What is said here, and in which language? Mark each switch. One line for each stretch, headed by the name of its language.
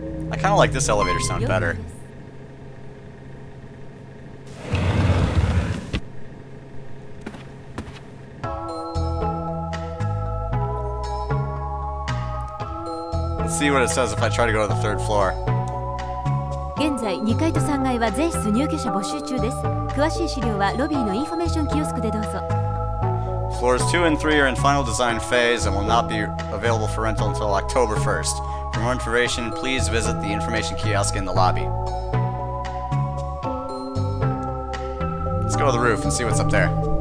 English: I kind of like this elevator sound better. See what it says if I try to go to the third floor.
Japanese: 現在2階と3階は全室入居者募集中です。詳しい資料はロビーのインフォメーションキオスクでどうぞ。
English: Floors 2 and 3 are in final design phase and will not be available for rental until October 1st. For more information, please visit the information kiosk in the lobby. Let's go to the roof and see what's up there.